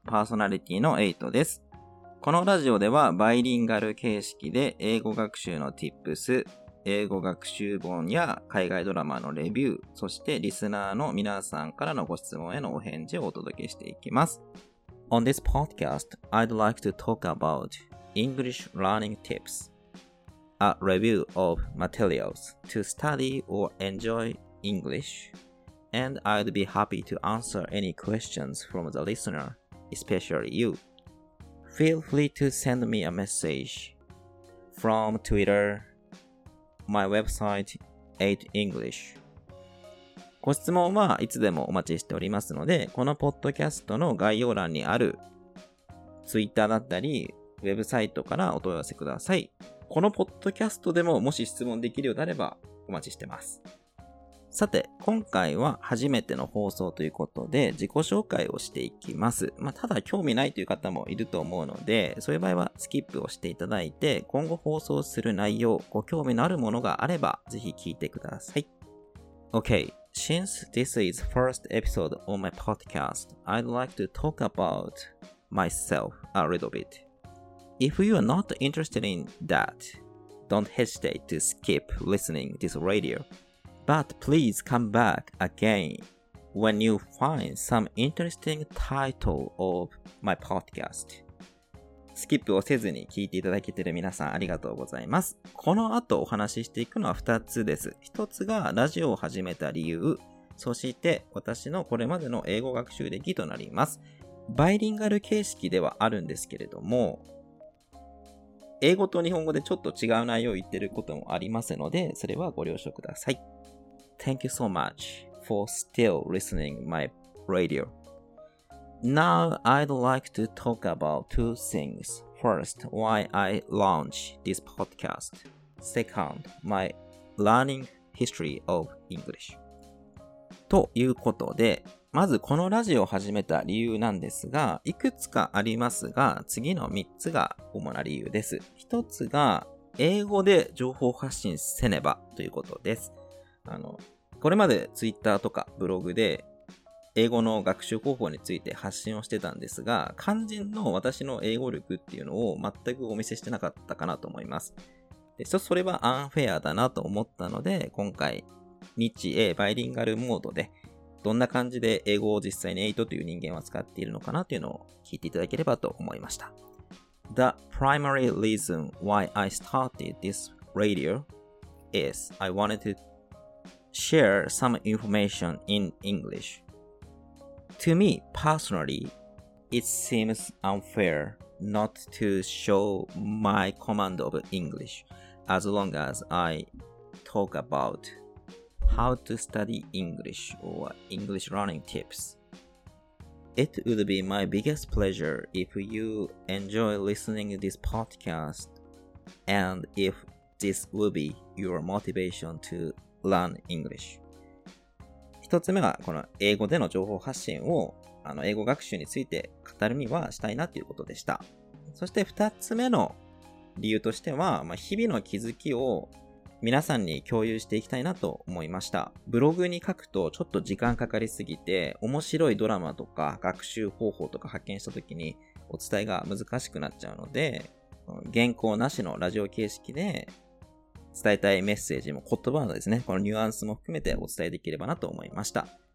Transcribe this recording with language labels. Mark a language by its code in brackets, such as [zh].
[ja] パーソナリティの8です。このラジオではバイリンガル形式で英語学習の tips、英語学習本や海外ドラマのレビュー、そしてリスナーの皆さんからのご質問へのお返事をお届けしていきます。 [en] On this podcast, I'd like to talk about English learning tips, a review of materials to study or enjoy English,And I'd be happy to answer any questions from the listener, especially you. Feel free to send me a message from Twitter, my website, 8English. [ja] ご質問はいつでもお待ちしておりますので、このポッドキャストの概要欄にある Twitter だったり、ウェブサイトからお問い合わせください。このポッドキャストでももし質問できるようであればお待ちしてます。さて、今回は初めての放送ということで自己紹介をしていきます。まあ、ただ興味ないという方もいると思うので、そういう場合はスキップをしていただいて、今後放送する内容、ご興味のあるものがあれば、ぜひ聞いてください。 [en] Okay, since this is first episode on my podcast, I'd like to talk about myself a little bit. If you are not interested in that, don't hesitate to skip listening this radio. But please come back again when you find some interesting title of my podcast. [ja] スキップをせずに聞いていただけている皆さんありがとうございます。この後お話ししていくのは2つです。1つがラジオを始めた理由、そして私のこれまでの英語学習歴となります。バイリンガル形式ではあるんですけれども、英語と日本語でちょっと違う内容を言ってることもありますので、それはご了承ください。 [en] Thank you so much for still listening my radio. Now I'd like to talk about two things. First, why I launched this podcast. Second, my learning history of English. [ja] ということで、まずこのラジオを始めた理由なんですが、いくつかありますが、次の3つが主な理由です。 1つが、英語で情報発信せねばということです。これまでツイッターとかブログで英語の学習方法について発信をしてたんですが、肝心の私の英語力っていうのを全くお見せしてなかったかなと思います。で、それはアンフェアだなと思ったので、今回日英バイリンガルモードでどんな感じで英語を実際に8という人間は使っているのかなというのを聞いていただければと思いました。 [en] The primary reason why I started this radio is I wanted toshare some information in English. To me, personally, it seems unfair not to show my command of English as long as I talk about how to study English or English learning tips. It would be my biggest pleasure if you enjoy listening to this podcast and if this will be your motivation toLearn English. [ja] 一つ目はこの英語での情報発信を英語学習について語るにはしたいなということでした。そして二つ目の理由としては、日々の気づきを皆さんに共有していきたいなと思いました。ブログに書くとちょっと時間かかりすぎて、面白いドラマとか学習方法とか発見した時にお伝えが難しくなっちゃうので、原稿なしのラジオ形式で伝えたいメッセージも言葉のですね、このニュアンスも含めてお伝えできればなと思いました。